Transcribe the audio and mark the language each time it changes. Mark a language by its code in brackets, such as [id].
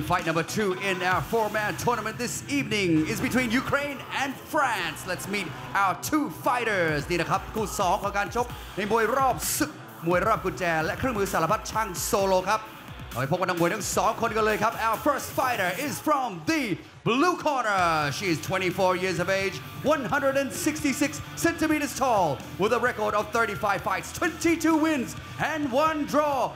[en] Fight number 2 in our four-man tournament this evening is between Ukraine and France. Let's meet our two fighters. [th] นี่นะครับคู่สองของการชกในมวยรอบศึกมวยรอบกุญแจและเครื่องมือสารพัดช่างโซโลครับเอาไปพบกันทั้งมวยทั้งสองคนกันเลยครับ [en] Our first fighter is from the blue corner. She is 24 years of age, 166 centimeters tall, with a record of 35 fights, 22 wins, and one draw.